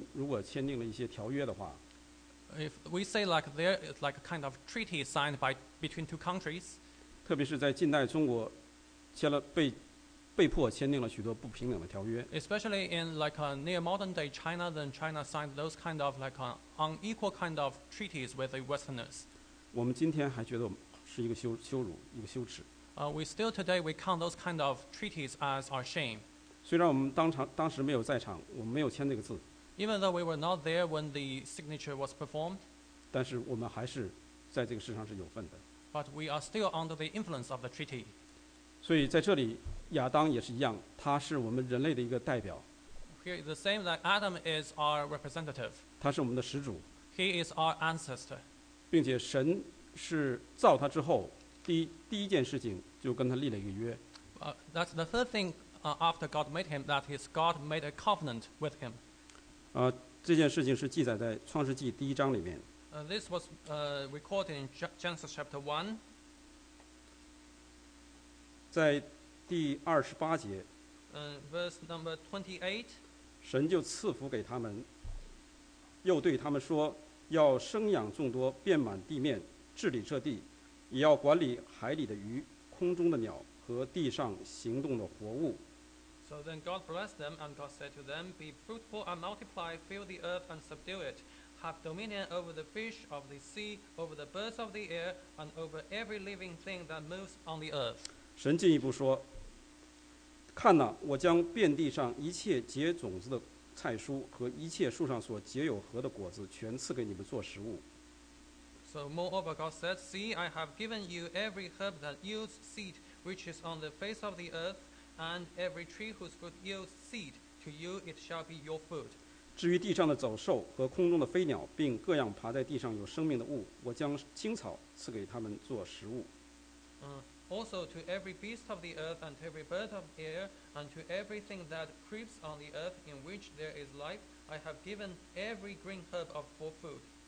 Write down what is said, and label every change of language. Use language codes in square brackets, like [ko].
[zh] 或者是我们说两个国家之间如果签订了一些条约的话, [en] if we say like there is like a kind of treaty signed by between two countries, [zh] 特别是在近代中国签了被迫签订了许多不平等的条约, [en] especially in like a near modern day China, then China signed those kind of like unequal kind of treaties with the Westerners. [zh] 我们今天还觉得是一个羞辱一个羞耻, [en] we still today we count those kind of treaties as our shame. [zh] 虽然我们当时没有在场, 我们没有签那个字, [en] even though we were not there when the signature was performed, [zh] 但是我们还是在这个世上是有份的, [en] but we are still under the influence of the treaty. [zh] 所以在这里, 亚当也是一样, 他是我们人类的一个代表, [en] here is the same that Adam is our representative, [zh] 他是我们的始祖, [en] he is our ancestor, [zh] 并且神是造他之后, 第一件事情就跟他立了一个约, [en] that's the third thing. After God made him, that his God made a covenant with him. [zh] 这件事情是记载在创世纪第一章里面。 [en] This was recorded in Genesis chapter 1. [zh] 在第28节, [en] verse number 28, [zh] 神就赐福给他们, 又对他们说, 要生养众多, 遍满地面, 治理这地, 也要管理海里的鱼, 空中的鸟, 和地上行动的活物。 [en] So then God blessed them, and God said to them, be fruitful and multiply, fill the earth and subdue it. Have dominion over the fish of the sea, over the birds of the air, and over every living thing that moves on the earth. [zh] 神进一步说, 看哪, 我将遍地上一切结种子的菜蔬, 和一切树上所结有核的果子, 全赐给你们做食物。 [en] So moreover, God said, see, I have given you every herb that yields seed, which is on the face of the earth, and every tree whose fruit yields seed, to you it shall be your food. [zh] 至于地上的走兽和空中的飞鸟, 并各样爬在地上有生命的物, 我将青草赐给他们做食物。 [en] Also to every beast of the earth, and to every bird of air, and to everything that creeps on the earth in which there is life, I have given every green herb of for food.